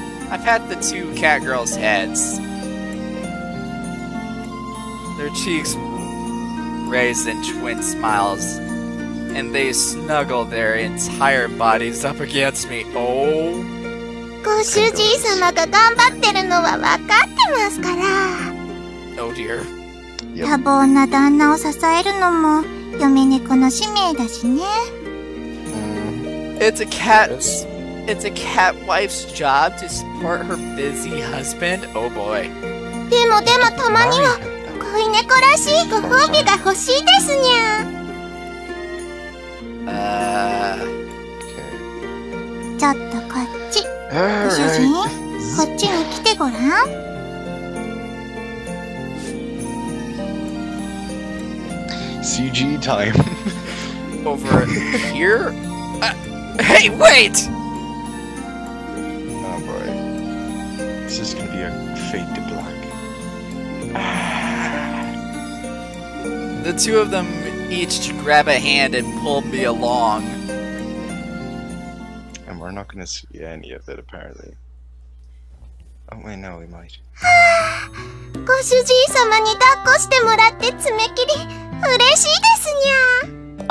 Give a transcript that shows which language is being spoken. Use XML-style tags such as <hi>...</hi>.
<en>I've had the two cat girls' heads. Their cheeks. Raised in twin smiles, and they snuggle their entire bodies up against me. Oh,</en> <ja>ご主人様が頑張ってるのは分かってますから。</ja> <en>Oh dear.</en> <ja>多忙な旦那を支えるのも嫁猫の使命だしね。</ja> <en>It's a cat wife's job to support her busy husband. Oh boy.</en> <ja>でもたまには。子猫らしいご褒美が欲しいですにゃ。ちょっとこっち。ご主人、こっちに来てごらん。</ja> <en>CG time. Over here? Hey, wait! Oh boy. This is gonna be a fade to black. The two of them each grab a hand and pull me along. And we're not gonna see any of it, apparently. Oh, wait, no, we might.</en> <ja>ご主人様に抱っこしてもらって爪切り、嬉しいですにゃ。</ja>